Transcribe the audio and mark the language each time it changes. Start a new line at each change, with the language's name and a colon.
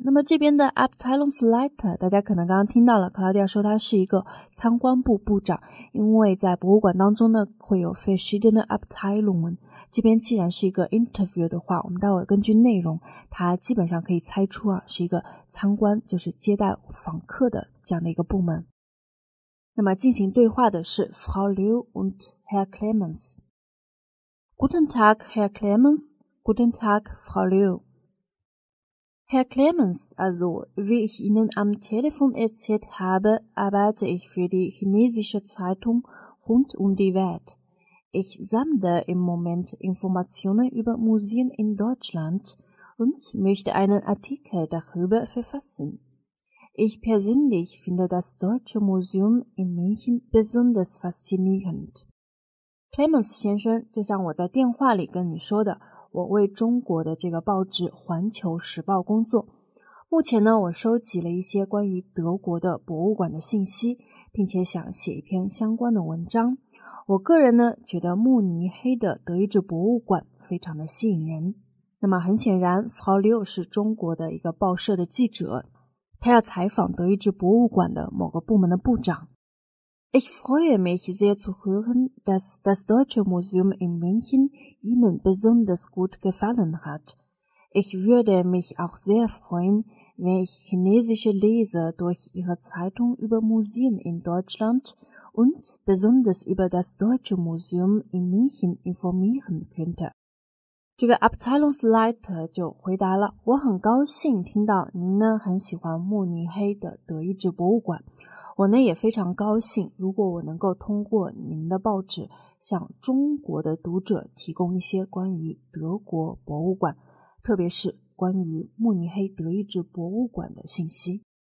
Chinese: 那么这边的 Abteilungsleiter, 大家可能刚刚听到了 Claudia 说他是一个参观部部长，因为在博物馆当中呢会有
German: verschiedene Abteilungen,
Chinese: 这边既然是一个 interview 的话，我们待会根据内容他基本上可以猜出啊是一个参观，就是接待访客的这样的一个部门。那么进行对话的是 Frau Liu und Herr Clemens。
German: Guten Tag, Herr Clemens. Guten Tag, Frau Liu. Herr Clemens, also, wie ich Ihnen am Telefon erzählt habe, arbeite ich für die chinesische Zeitung rund um die Welt. Ich sammle im Moment Informationen über Museen in Deutschland und möchte einen Artikel darüber verfassen. Ich persönlich finde das Deutsche Museum in München besonders faszinierend.
Chinese: Clemens 先生，就像我在电话里跟你说的，我为中国的这个报纸《环球时报》工作。目前呢，我收集了一些关于德国的博物馆的信息，并且想写一篇相关的文章。我个人呢，觉得慕尼黑的德意志博物馆非常的吸引人。那么很显然 ,Frau Liu 是中国的一个报社的记者，他要采访德意志博物馆的某个部门的部长。
German: Ich freue mich sehr zu hören, dass das Deutsche Museum in München Ihnen besonders gut gefallen hat. Ich würde mich auch sehr freuen, wenn ich chinesische Leser durch Ihre Zeitung über Museen in Deutschland und besonders über das Deutsche Museum in München informieren könnte.
Chinese: 这个 Abteilungsleiter 就回答了，我很高兴听到您呢很喜欢慕尼黑的德意志博物馆，我呢也非常高兴如果我能够通过您的报纸向中国的读者提供一些关于德国博物馆，特别是关于慕尼黑德意志博物馆的信息。